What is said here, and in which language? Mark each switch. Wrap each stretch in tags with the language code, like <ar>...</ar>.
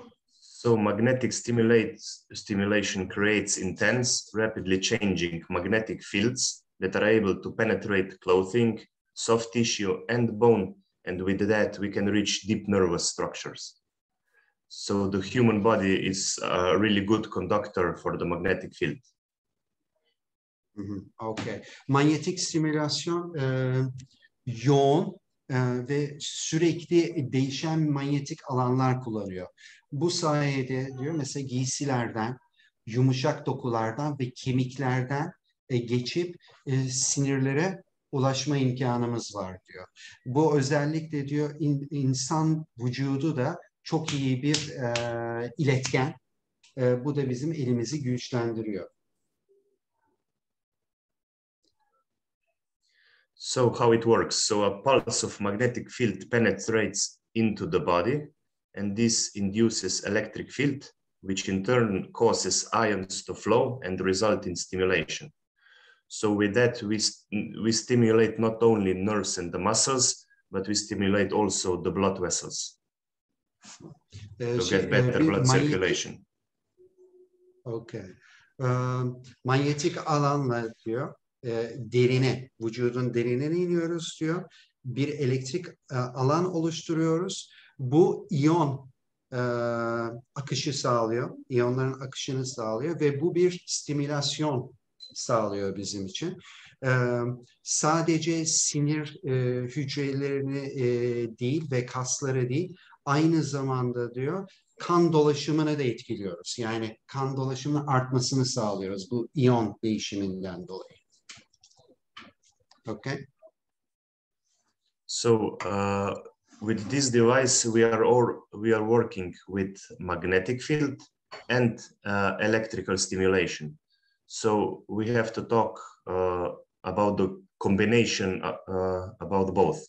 <en>So magnetic stimulation creates intense, rapidly changing magnetic fields that are able to penetrate clothing, soft tissue and bone, and with that we can reach deep nervous structures. So the human body is a really good conductor for the magnetic field. Mm-hmm. Okay.</en> <tr>Manyetik stimülasyon yoğun ve sürekli değişen manyetik alanlar kullanıyor. Bu sayede diyor mesela giysilerden, yumuşak dokulardan ve kemiklerden geçip sinirlere ulaşma imkanımız var diyor. Bu özellikle diyor insan vücudu da çok iyi bir iletken. Bu da bizim elimizi güçlendiriyor.</tr> <en>So how it works? So a pulse of magnetic field penetrates into the body and this induces electric field, which in turn causes ions to flow and result in stimulation. So with that, we stimulate not only nerves and the muscles, but we stimulate also the blood vessels to get better blood circulation. Okay.</en> <tr>Manyetik alanla diyor, derine, vücudun derine iniyoruz diyor. Bir elektrik alan oluşturuyoruz. Bu iyon akışı sağlıyor. İyonların akışını sağlıyor ve bu bir stimülasyon sağlıyor bizim için. Sadece sinir hücrelerini değil ve kasları değil, aynı zamanda diyor kan dolaşımını da etkiliyoruz. Yani kan dolaşımının artmasını sağlıyoruz bu iyon değişiminden dolayı.</tr> <en>Okay. So with this device we are working with magnetic field and electrical stimulation. So we have to talk about the combination about both.</en>